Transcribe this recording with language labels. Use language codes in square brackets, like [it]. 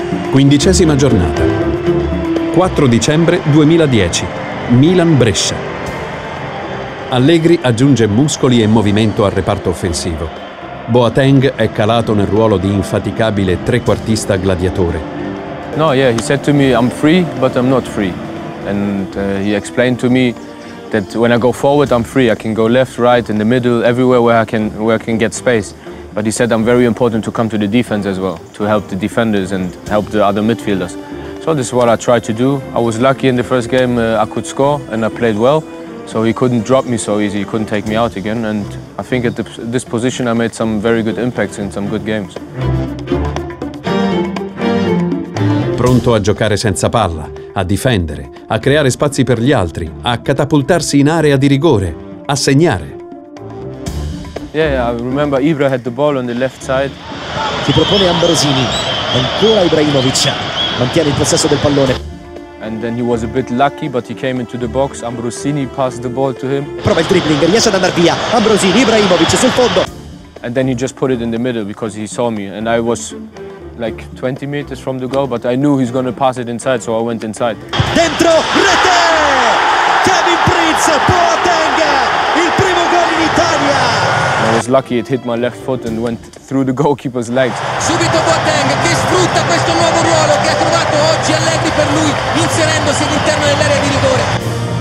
[it] Quindicesima giornata, 4 dicembre 2010, Milan-Brescia. Allegri aggiunge muscoli e movimento al reparto offensivo. Boateng è calato nel ruolo di infaticabile trequartista gladiatore. [en] No, yeah, he said to me I'm free, but I'm not free. And he explained to me that when I go forward I'm free, I can go left, right, in the middle, everywhere where I can get space. But he said I'm very important to come to the defense as well, to help the defenders and help the other midfielders. So this is what I tried to do. I was lucky in the first game I could score and I played well. So he couldn't drop me so easy, he couldn't take me out again, and I think at this position I made some very good impacts in some good games. [it] Pronto a giocare senza palla, a difendere, a creare spazi per gli altri, a catapultarsi in area di rigore, a segnare. [en] Yeah, I remember Ibra had the ball on the left side. [it] Si propone Ambrosini, ancora Ibrahimovic, mantiene il possesso del pallone. [en] And then he was a bit lucky, but he came into the box. Ambrosini passed the ball to him. [it] Prova il dribbling, riesce ad andare via. Ambrosini, Ibrahimovic sul fondo. [en] And then he just put it in the middle because he saw me. And I was like 20 meters from the goal, but I knew he's going to pass it inside, so I went inside. [it] Dentro, rete! Kevin Prince, Boateng, il primo gol in Italia! [en] I was lucky it hit my left foot and went through the goalkeeper's legs. [it] Subito Boateng che sfrutta questo nuovo ruolo che ha trovato oggi Allegri per lui, inserendosi all'interno dell'area di rigore.